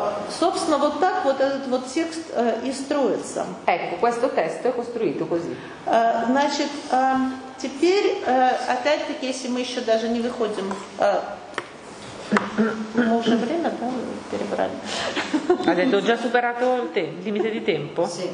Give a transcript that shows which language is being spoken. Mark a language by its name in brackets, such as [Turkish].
[Russian] Собственно, вот так вот этот вот текст и строится. [Italian] Ecco, questo testo è costruito così. [Russian] Значит, теперь, опять-таки, если мы еще даже не выходим, мы уже время, да, перебрали. [Italian] Ha detto, già superato il limite di tempo?